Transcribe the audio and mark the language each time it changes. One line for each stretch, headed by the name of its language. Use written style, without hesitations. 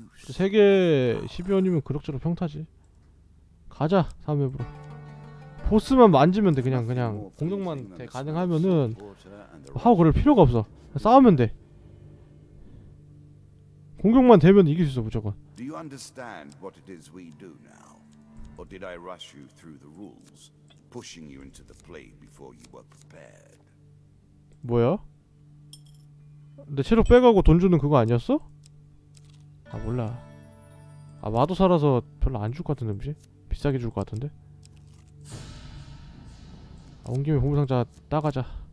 Korean: 세계 12원이면 그럭저럭 평타지. 가자 다음 앱으로. 보스만 만지면 돼. 그냥 공격만 돼. 가능하면은 하고 그럴 필요가 없어. 싸우면 돼. 공격만 되면 이길 수 있어 무조건.
English: Do you understand what it is we do now? Or did I rush you through the rules, pushing you into the play before you were prepared?
Korean: 뭐야? 내 체력 빼가고 돈 주는 그거 아니었어? 아 몰라. 아 마도 살아서 별로 안 줄 것 같은데 혹시? 비싸게 줄 것 같은데? 아, 온 김에 보물상자 따가자.